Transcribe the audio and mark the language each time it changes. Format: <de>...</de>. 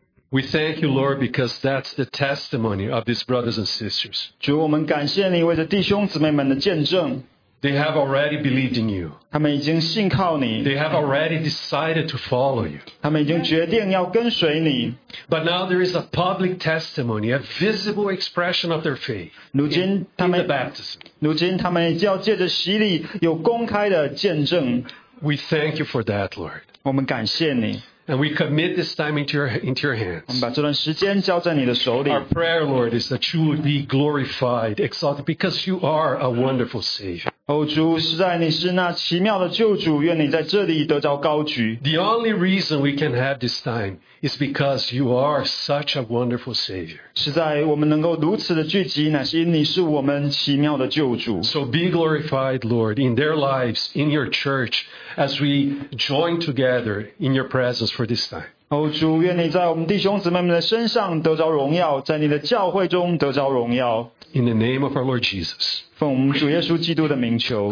<en>We thank you, Lord, because that's the testimony of these brothers and sisters.</en> <zh>主，我们感谢你为这弟兄姊妹们的见证。</zh> <en>They have already believed in you.</en> <zh>他们已经信靠你。</zh> <en>They have already decided to follow you.</en> <zh>他们已经决定要跟随你。</zh> <en>But now there is a public testimony, a visible expression of their faith.</en> <zh>如今他们</zh> <en>in the baptism.</en> <zh>如今他们要借着洗礼有公开的见证。</zh> <en>We thank you for that, Lord.</en> <zh>我们感谢你。</zh> <en>And we commit this time into your hands.</en> <zh>我们把这段时间交在你的手里。</zh> <en>Our prayer, Lord, is that you would be glorified, exalted, because you are a wonderful Savior.</en> <zh>哦，主，实在你是那奇妙的救主，愿你在这里得着高举。</zh> <en>The only reason we can have this time is because you are such a wonderful Savior.</en> <zh>实在我们能够如此的聚集，乃是因你是我们奇妙的救主。</zh> <en>So be glorified, Lord, in their lives, in your church, as we join together in your presence for this time.</en> <zh>哦，主，愿你在我们弟兄姊妹们的身上得着荣耀，在你的教会中得着荣耀。</zh> <en>In the name of our Lord Jesus.</en> <zh>奉我们主耶稣基督的名求。</zh>